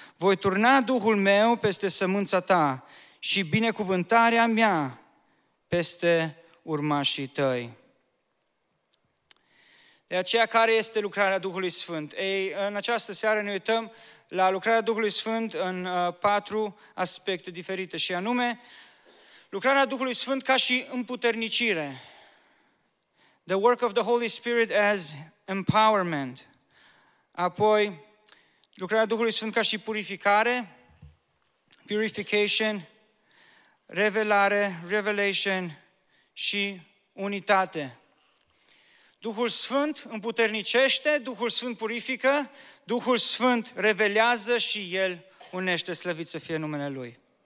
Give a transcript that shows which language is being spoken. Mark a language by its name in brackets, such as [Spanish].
[Romanian] Voi turna Duhul meu peste sămânța ta și binecuvântarea mea peste urmașii tăi. De aceea, care este lucrarea Duhului Sfânt? Ei, în această seară ne uităm la lucrarea Duhului Sfânt în patru aspecte diferite și anume, lucrarea Duhului Sfânt ca și împuternicire. [English] The work of the Holy Spirit as empowerment. [Romanian] Apoi, lucrarea Duhului Sfânt ca și purificare, purification, revelare, revelation și unitate. Duhul Sfânt împuternicește, Duhul Sfânt purifică, Duhul Sfânt revelează și El unește, slăvit să fie numele Lui.